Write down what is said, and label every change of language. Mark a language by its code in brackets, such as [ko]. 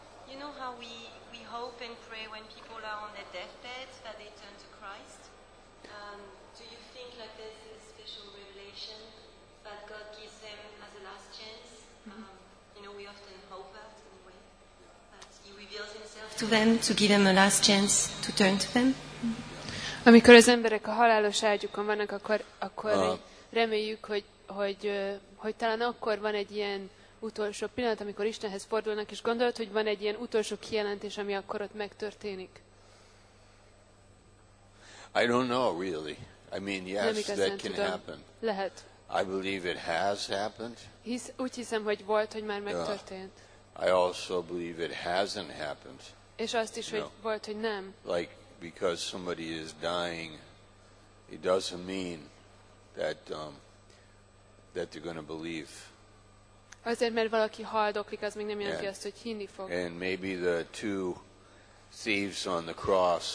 [en] You know how we hope and pray when people are on their deathbeds that they turn to Christ? Do you think like there's a special revelation that God gives them as a last chance? You know, we often hope that in a way, that He reveals Himself to them to give them a last chance to turn to them? [hu] Amikor az emberek a halálos ágyukon vannak, akkor reméljük, hogy talán akkor van egy ilyen utolsó pillanat, amikor Istenhez fordulnak, és gondolod, hogy van egy ilyen utolsó kijelentés, ami akkor ott megtörténik? [en] I don't know, really. I mean, yes, that can [hu] tudom. [en] Happen. [hu] Lehet. [en] I believe it has happened. [hu] Úgy hiszem, hogy volt, hogy már megtörtént. [en] I also believe it hasn't happened. [hu] És azt is, hogy volt, hogy nem. [en] Like, because somebody is dying, it doesn't mean that they're going to believe. [hu] Azért, mert valaki haldoklik, az még nem jelenti azt, hogy hinni fog. [en] And maybe the two thieves on the cross,